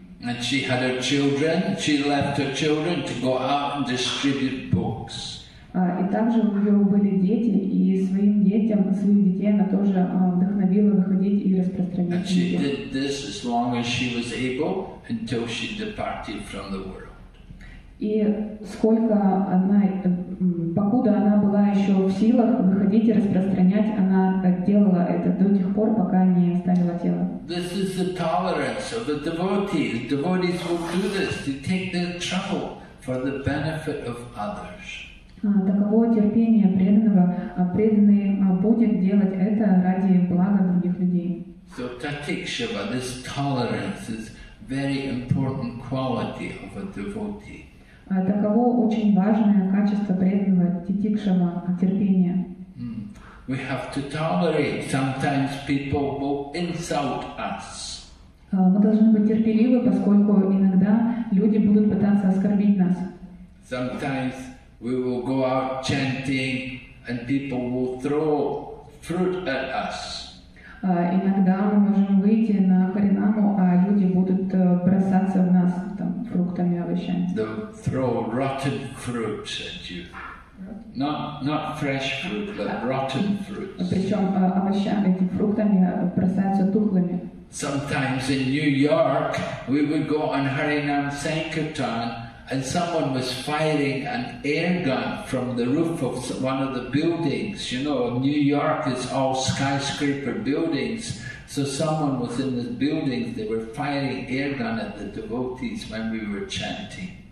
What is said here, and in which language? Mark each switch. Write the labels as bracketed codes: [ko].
[en] And she had her children, she left her children to go out and distribute books. [ru] И также у нее были дети, и своих детей она тоже вдохновила выходить и распространять. [en] And she did this as long as she was able, until she departed from the world. [ru] И сколько она, покуда она была еще в силах выходить и распространять, она делала это до тех пор, пока не оставила тело. [en] This is the tolerance of a devotee. The devotees will do this to take their trouble for the benefit of others. [ru] Таково терпение преданного. Преданный будет делать это ради блага других людей. [en] So tatikshava, this tolerance is very important quality of a devotee. [ru] Таково очень важное качество преданного титикшама – терпения. [en] We have to tolerate sometimes people will insult us. [ru] Мы должны быть терпеливы, поскольку иногда люди будут пытаться оскорбить нас. [en] Sometimes we will go out chanting and people will throw fruit at us. [ru] Иногда мы можем выйти на харинаму, а люди будут бросаться в нас там фруктами, овощами. [en] They'll throw rotten fruits at you. Not fresh fruit, but rotten fruits. [ru] Причем овощами, этими фруктами бросаются тухлыми. [en] Sometimes in New York we would go on Harinam Sankirtan and someone was firing an air gun from the roof of one of the buildings. You know, New York is all skyscraper buildings. So someone was in the building, they were firing air gun at the devotees when we were chanting.